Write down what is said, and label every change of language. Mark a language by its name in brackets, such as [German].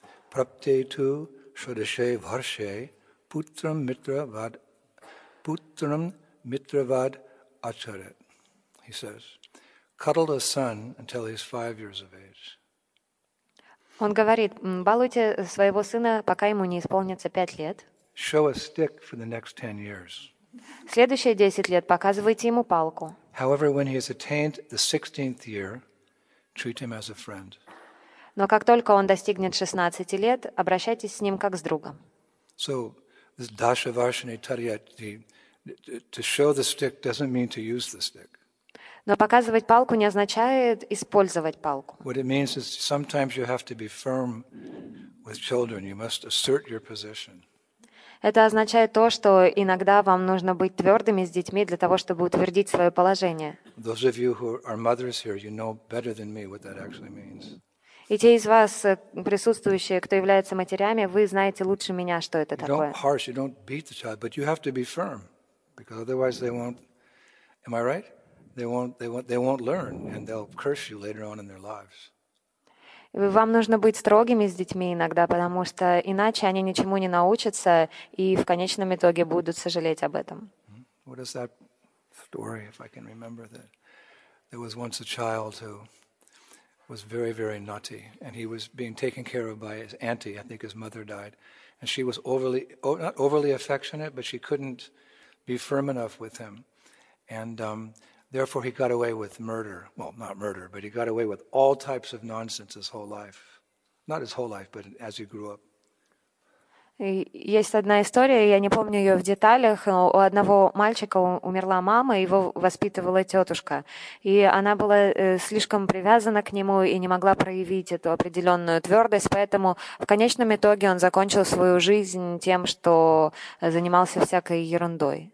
[Sanskrit] Праптейту шодаше варше, путрам митравад ачарят. [English] He says, cuddle a son until he's 5 years of age. [Russian] Он говорит, балуйте своего сына, пока ему не исполнится 5 лет. [English] Show a stick for the next 10 years. [Russian] Следующие 10 лет показывайте ему палку. [English] However, when he has attained the 16th year, treat him as a friend. [Russian] Но как только он достигнет 16 лет, обращайтесь с ним как с другом. [English] So, this [Sanskrit] dasha varshani tariyat, [English] to show the stick doesn't mean to use the stick. [Russian] Но показывать палку не означает использовать палку. [English] What it means is sometimes you have to be firm with children. You must assert your position. [Russian] Это означает то, что иногда вам нужно быть твердыми с детьми для того, чтобы утвердить свое положение. [English] Those of you who are mothers here, you know better than me what that actually means. [Russian] И те из вас, присутствующие, кто является матерями, вы знаете лучше меня, что это такое. [English] You don't harsh, you don't beat the child, but you have to be firm, because otherwise they won't. Am I right? They won't learn, and they'll curse you later on in their lives. [Russian] Вам нужно быть строгими с детьми иногда, потому что иначе они ничему не научатся и в конечном итоге будут сожалеть об этом. [English] What is that story, if I can remember that? There was once a child who was very, very naughty, and he was being taken care of by his auntie. I think his mother died, and she was not overly affectionate, but she couldn't be firm enough with him, and therefore, he got away with murder. Well, not murder, but he got away with all types of nonsense his whole life. Not his whole life, but as he grew up. [Russian] Есть одна история, я не помню ее в деталях. У одного мальчика умерла мама, его воспитывала тетушка. И она была слишком привязана к нему и не могла проявить эту определенную твердость. Поэтому в конечном итоге он закончил свою жизнь тем, что занимался всякой ерундой.